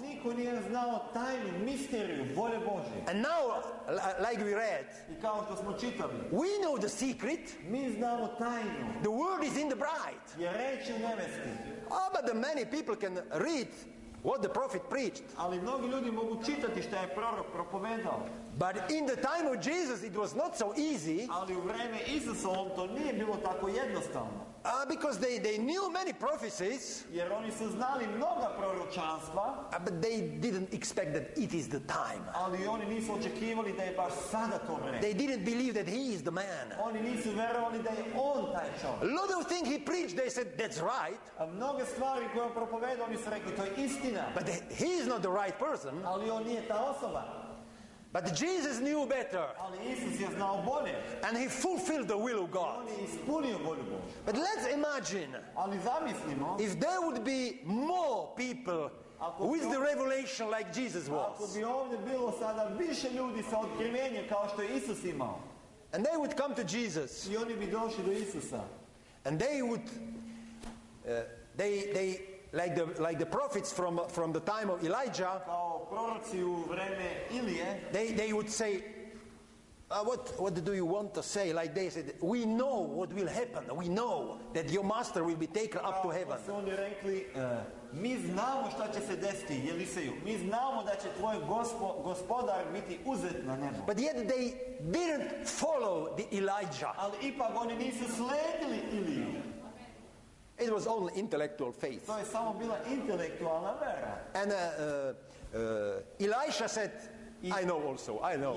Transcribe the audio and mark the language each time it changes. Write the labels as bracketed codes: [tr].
[sr] Niko nije znao tajnu, misteriju, volje Božje. [en] And now, like we read, [sr] i kao što smo čitali, [en] we know the secret. [sr] Mi znamo tajnu. [en] The word is in the bride. [sr] Je reč u nebeski. [en] Oh, but the many people can read what the prophet preached. [sr] Ali mnogi ljudi mogu čitati što je prorok propovedao. [en] But in the time of Jesus, it was not so easy. [sr] Ali u vreme Isusa to nije bilo tako jednostavno. [en] Because they knew many prophecies. [sr] Jer oni su znali mnoga proročanstva. [en] But they didn't expect that it is the time. [sr] Ali oni nisu očekivali da je baš sada to vreme. [en] They didn't believe that he is the man. [sr] Oni nisu verovali da je on taj čovjek. [en] A lot of things he preached, they said, that's right. [sr] A mnoge stvari koje on propovedao, oni su rekli, to je istina. [en] But he is not the right person. [sr] Ali on nije ta osoba. [en] But Jesus knew better. [sr] Ali Isus je znao bolje. [en] And he fulfilled the will of God. [sr] On je ispunio volju Božju. [en] But let's imagine. [sr] Ali zamislimo. [en] If there would be more people with the revelation like Jesus was. [sr] Ako bi ovdje bilo sada više ljudi sa otkrivenjem kao što je Isus imao. [en] And they would come to Jesus. [sr] I oni bi došli do Isusa. [en] And they would they like the prophets from the time of Elijah, [sr] kao proroci u vreme Ilije, [en] they would say, what do you want to say? Like they said, we know what will happen. We know that your master will be taken up to heaven. [sr] Kao su oni rekli, mi znamo šta će se desiti, Eliseju. Mi znamo da će tvoj gospodar biti uzet na nebo. [en] But yet they didn't follow the Elijah. [sr] Ali ipak oni nisu sledili Iliju. [en] It was only intellectual faith. [sr] To je samo bila intelektualna vera. [en] And Elisha said, I know also, I know.